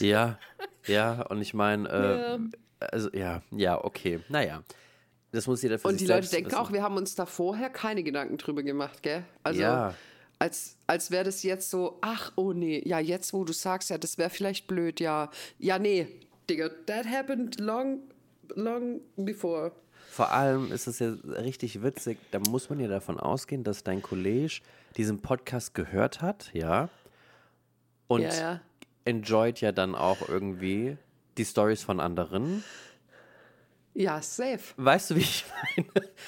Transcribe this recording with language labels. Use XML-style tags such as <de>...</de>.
<de>Ja, und ich meine, okay. Naja, das muss jeder für sich selbst Und die Leute denken auch, wir haben uns da vorher keine Gedanken drüber gemacht, gell? Also, ja. Als wäre das jetzt so, ach, oh nee, ja, jetzt, wo du sagst, ja, das wäre vielleicht blöd, ja. Ja, nee, Digga,</de> <en>that happened long, long before.</en> <de>Vor allem ist es ja richtig witzig, da muss man ja davon ausgehen, dass dein Kollege diesen Podcast gehört hat, ja? Und enjoyed ja dann auch irgendwie die Stories von anderen. Ja, safe. Weißt du, wie ich meine?</de>